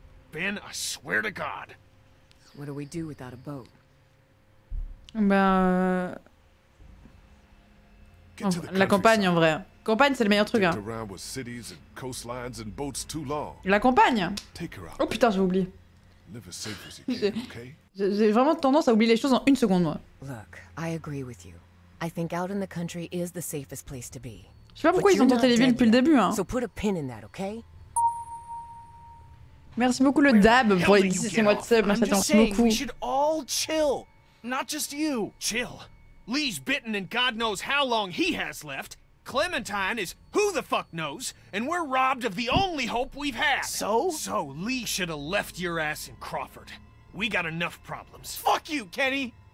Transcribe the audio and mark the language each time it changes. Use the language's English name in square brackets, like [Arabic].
[English] Ben, I swear to God. What do we do without a boat? [French] La campagne, en vrai. Campagne, c'est le meilleur truc, hein. [English] With cities and coastlines and boats too long. [French] La campagne. [English] Take her out. [French] Oh putain, j'ai oublié. [English] Live as safe as you can, okay? [French] J'ai vraiment tendance à oublier les choses en une seconde, moi. [English] Look, I agree with you. I think out in the country is the safest place to be. [French] Je sais pas pourquoi ils ont tenté les villes depuis le début, hein. [English] So put a pin in that, okay? [French] Merci beaucoup le dab pour les 16 mois de sub, merci beaucoup. [English] We should all chill, not just you. Chill. Lee's bitten and God knows how long he has left. Clementine is who the fuck knows, and we're robbed of the only hope we've had. So? So Lee should have left your ass in Crawford. We got enough problems. Fuck you, Kenny!